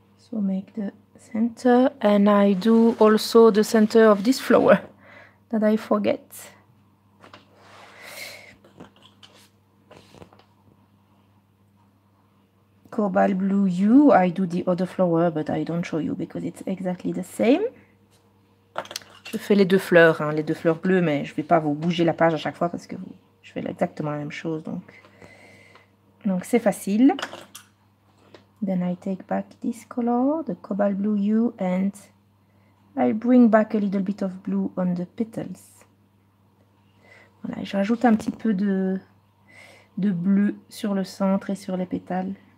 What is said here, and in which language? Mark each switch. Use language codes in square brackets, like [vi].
[en] We'll make the center, and I do also the center of this flower that I forget. Cobalt blue you, I do the other flower, but I don't show you because it's exactly the same. [fr] Je fais les deux fleurs, hein, les deux fleurs bleues, mais je vais pas vous bouger la page à chaque fois parce que je fais exactement la même chose, donc. Donc c'est facile. [en] Then I take back this color, the cobalt blue hue, and I bring back a little bit of blue on the petals. [fr] Voilà, je rajoute un petit peu de bleu sur le centre et sur les pétales.